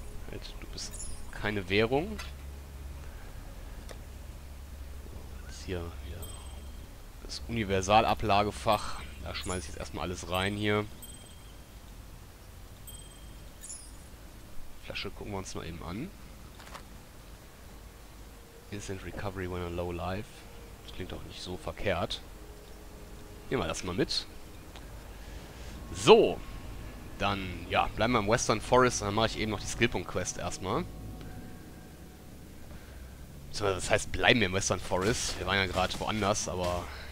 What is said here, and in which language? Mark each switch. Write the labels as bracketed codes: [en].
[de] Halt, du bist keine Währung. So, jetzt hier, ja, das Universalablagefach. Da schmeiße ich jetzt erstmal alles rein hier. Flasche gucken wir uns mal eben an. [en] Instant Recovery when a low life. [de] Das klingt auch nicht so verkehrt. Nehmen wir das mal mit. So. Dann, ja, bleiben wir im Western Forest. Dann mache ich eben noch die Skillpunkt-Quest erstmal. Das heißt, bleiben wir im Western Forest. Wir waren ja gerade woanders, aber...